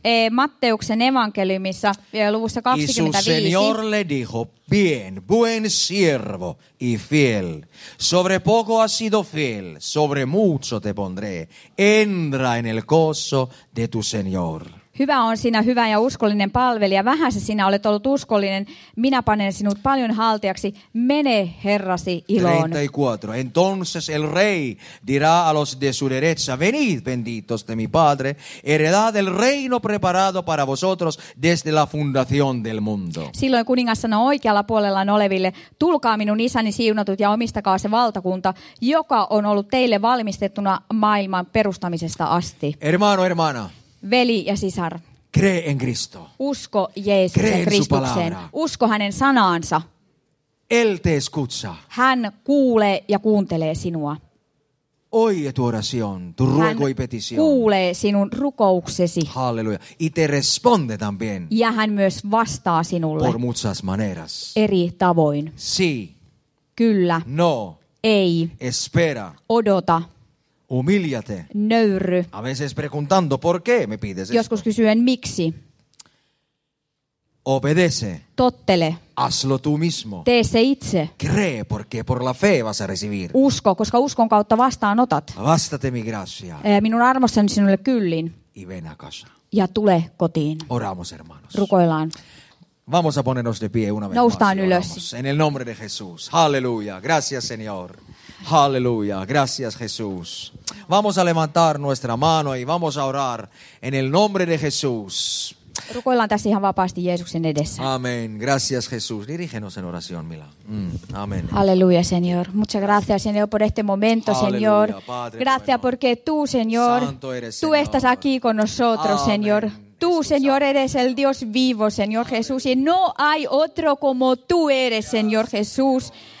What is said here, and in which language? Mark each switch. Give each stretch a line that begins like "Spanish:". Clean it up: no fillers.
Finnish: Matteuksen evankeliumissa luvussa 25.
Spanish: Y su señor le dijo, bien, buen siervo y fiel. Sobre poco has sido fiel, sobre mucho te pondré. Entra en el gozo de tu señor.
Finnish: Hyvä on sinä, hyvä ja uskollinen palvelija. Vähäsi sinä olet ollut uskollinen. Minä panen sinut paljon haltijaksi. Mene, Herrasi, iloon. 34.
Spanish: Entonces el rey dirá a los de su derecha, venid, benditos de mi padre, heredad el reino preparado para vosotros desde la fundación del mundo.
Finnish: Silloin kuningas sanoo oikealla puolellaan oleville, tulkaa minun isäni siunatut ja omistakaa se valtakunta, joka on ollut teille valmistettuna maailman perustamisesta asti.
Spanish: Hermano, hermana.
Finnish: Veli ja sisar.
Spanish: Cree en Cristo.
Finnish: Usko Jeesukseen Kristukseen. Usko hänen sanaansa.
Spanish: Él te escucha.
Finnish: Hän kuulee ja kuuntelee sinua.
Spanish: Oye tu oración, tu ruego y petición.
Finnish: Hän kuulee sinun rukouksesi.
Spanish: Halleluja. Y te responde también.
Finnish: Ja hän myös vastaa sinulle.
Spanish: Por muchas maneras.
Finnish: Eri tavoin.
Spanish: Sí.
Finnish: Kyllä.
Spanish: No.
Finnish: Ei.
Spanish: Espera.
Finnish: Odota.
Spanish: Humíllate.
Finnish: Nöyrry.
Spanish: A veces preguntando por qué me pides.
Finnish: Joskus kysyen miksi.
Spanish: Obedece.
Finnish: Tottele.
Spanish: Hazlo tú mismo.
Finnish: Tee se itse.
Spanish: Cree porque por la fe vas a recibir.
Finnish: Usko, koska uskon kautta vastaanotat.
Spanish: Vástate mi gracia.
Finnish: Minun armossani sinulle kyllin.
Spanish: Y ven a casa.
Finnish: Ja tule kotiin.
Spanish: Oramos hermanos.
Finnish: Rukoillaan.
Spanish: Vamos a ponernos de pie una vez.
Finnish: Noustaan
Spanish: más.
Finnish: Ylös.
Spanish: En el nombre de Jesús. Aleluya. Gracias, Señor. Aleluya, gracias Jesús. Vamos a levantar nuestra mano y vamos a orar en el nombre de Jesús.
Finnish: Rukoillaan tässä ihan vapaasti Jeesuksen edessä.
Spanish: Amen. Gracias, Jesús. Dirígenos en oración, Mila. Amen. Aleluya, Señor. Muchas gracias, Señor, por este momento, Señor. Gracias porque tú, Señor, tú estás aquí con nosotros, Señor. Tú, Señor, eres el Dios vivo, Señor Jesús, y no hay otro como tú eres, Señor Jesús.